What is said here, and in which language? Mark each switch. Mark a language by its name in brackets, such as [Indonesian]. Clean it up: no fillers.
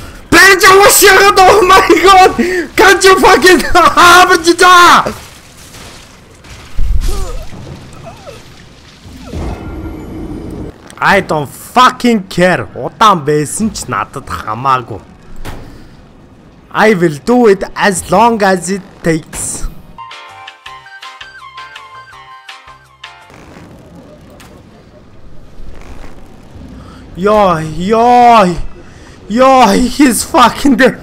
[Mongolian] Бэрч яваа шигэд, [English] oh my god! Can't you fucking have it? I don't fucking care. [Mongolian] Удаан байсан ч надад хамаагүй. [English] I will do it as long as it takes. Yo, he's fucking there.